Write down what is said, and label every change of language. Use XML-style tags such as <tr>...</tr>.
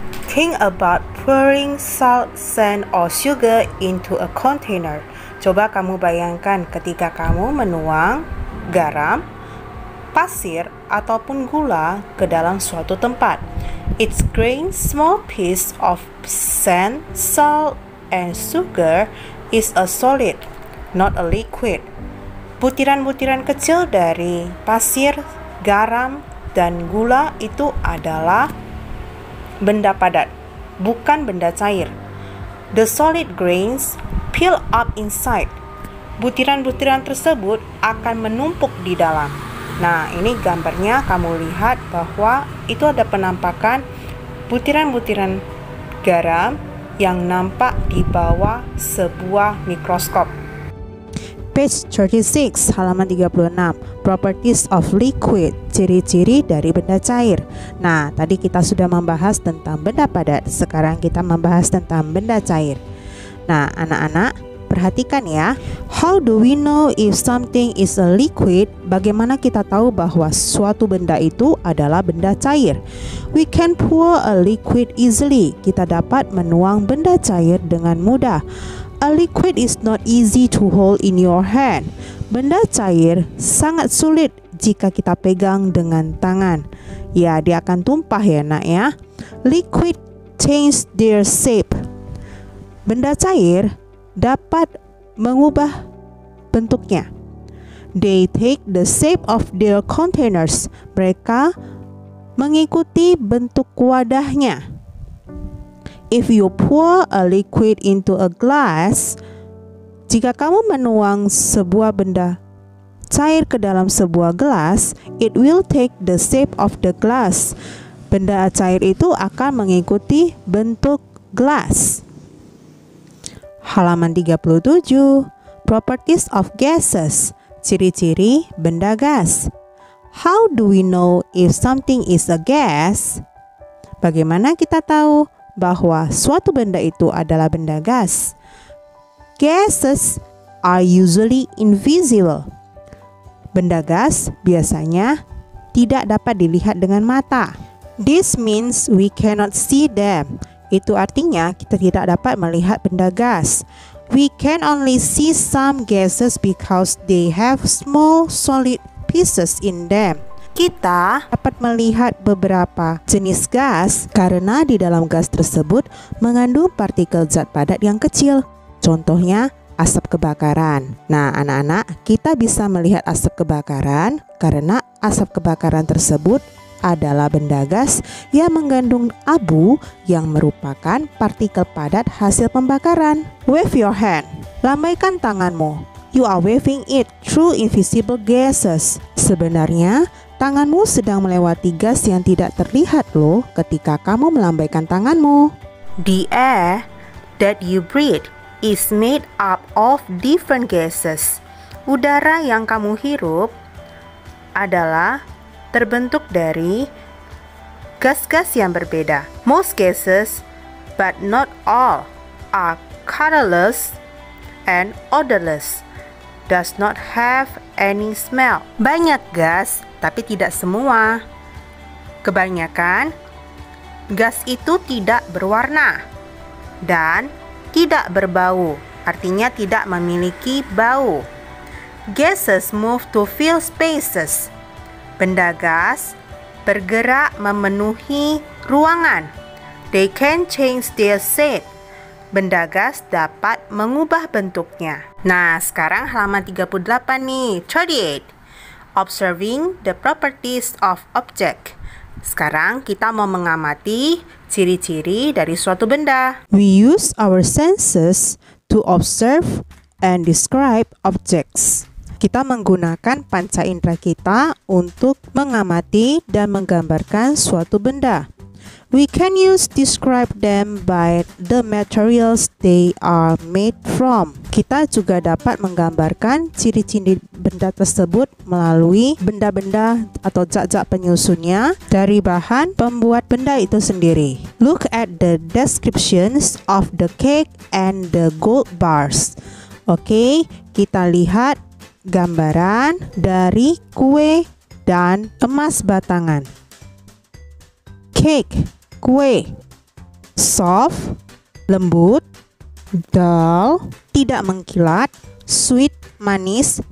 <en>Think about pouring salt, sand, or sugar into a container.</en> <id>Coba kamu bayangkan ketika kamu menuang garam, pasir, ataupun gula ke dalam suatu tempat.</id> <en>Each grain, small piece of sand, salt, and sugar is a solid, not a liquid.</en> <id>Butiran-butiran kecil dari pasir, garam, dan gula itu adalah benda padat, bukan benda cair.</id> <en>The solid grains peel up inside.</en> <id>Butiran-butiran tersebut akan menumpuk di dalam. Nah, ini gambarnya kamu lihat bahwa itu ada penampakan butiran-butiran garam yang nampak di bawah sebuah mikroskop. Page 36, halaman 36,</id> <en>Properties of Liquid,</en> <id>ciri-ciri dari benda cair. Nah, tadi kita sudah membahas tentang benda padat, sekarang kita membahas tentang benda cair. Nah, anak-anak, perhatikan ya.</id> <en>How do we know if something is a liquid?</en> <id>Bagaimana kita tahu bahwa suatu benda itu adalah benda cair?</id> <en>We can pour a liquid easily.</en> <id>Kita dapat menuang benda cair dengan mudah.</id> <en>A liquid is not easy to hold in your hand.</en> <id>Benda cair sangat sulit jika kita pegang dengan tangan. Ya, dia akan tumpah ya, nak ya.</id> <en>Liquid change their shape.</en> <id>Benda cair dapat mengubah bentuknya.</id> <en>They take the shape of their containers.</en> <id>Mereka mengikuti bentuk wadahnya.</id> <en>If you pour a liquid into a glass,</en> <id>jika kamu menuang sebuah benda cair ke dalam sebuah gelas,</id> <en>it will take the shape of the glass.</en> <id>Benda cair itu akan mengikuti bentuk gelas. Halaman 37,</id> <en>Properties of Gases,</en> <id>ciri-ciri benda gas.</id> <en>How do we know if something is a gas?</en> <id>Bagaimana kita tahu bahwa suatu benda itu adalah benda gas?</id> <en>Gases are usually invisible.</en> <id>Benda gas biasanya tidak dapat dilihat dengan mata.</id> <en>This means we cannot see them.</en> <id>Itu artinya kita tidak dapat melihat benda gas.</id> <en>We can only see some gases because they have small solid pieces in them.</en> <id>Kita dapat melihat beberapa jenis gas karena di dalam gas tersebut mengandung partikel zat padat yang kecil. Contohnya asap kebakaran. Nah, anak-anak, kita bisa melihat asap kebakaran karena asap kebakaran tersebut adalah benda gas yang mengandung abu yang merupakan partikel padat hasil pembakaran.</id> <en>Wave your hand.</en> <id>Lambaikan tanganmu.</id> <en>You are waving it through invisible gases.</en> <id>Sebenarnya, tanganmu sedang melewati gas yang tidak terlihat loh ketika kamu melambaikan tanganmu.</id> <en>The air that you breathe is made up of different gases.</en> <id>Udara yang kamu hirup adalah terbentuk dari gas-gas yang berbeda.</id> <en>Most gases, but not all, are colorless and odorless. Does not have any smell.</en> <id>Banyak gas, tapi tidak semua. Kebanyakan, gas itu tidak berwarna dan tidak berbau. Artinya tidak memiliki bau.</id> <en>Gases move to fill spaces.</en> <id>Benda gas bergerak memenuhi ruangan.</id> <en>They can change their shape.</en> <id>Benda gas dapat mengubah bentuknya. Nah, sekarang halaman 38 nih. 38.</id> <en>Observing the properties of object.</en> <id>Sekarang kita mau mengamati ciri-ciri dari suatu benda.</id> <en>We use our senses to observe and describe objects.</en> <id>Kita menggunakan panca indera kita untuk mengamati dan menggambarkan suatu benda.</id> <en>We can use describe them by the materials they are made from.</en> <id>Kita juga dapat menggambarkan ciri-ciri benda tersebut melalui benda-benda atau zat-zat penyusunnya dari bahan pembuat benda itu sendiri.</id> <en>Look at the descriptions of the cake and the gold bars.</en> <id>Oke, kita lihat gambaran dari kue dan emas batangan. Cake, kue. Soft, lembut. Dull, tidak mengkilat. Sweet, manis.</id>